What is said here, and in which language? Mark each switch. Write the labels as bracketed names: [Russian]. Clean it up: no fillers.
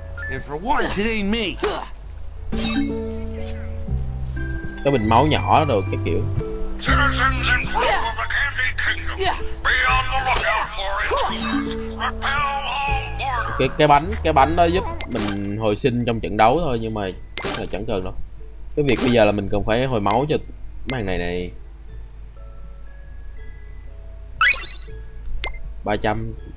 [English] And for once, it ain't me. [Vietnamese] Cái bình máu nhỏ rồi cái kiểu. [English] Citizens and crew of the Candy Kingdom, be on the lookout for intruders. Repel all borders. [Vietnamese] Cái bánh đó giúp mình hồi sinh trong trận đấu thôi, nhưng mà cũng là chẳng cần đâu. Cái việc bây giờ là mình cần phải hồi máu cho màn này này. 300.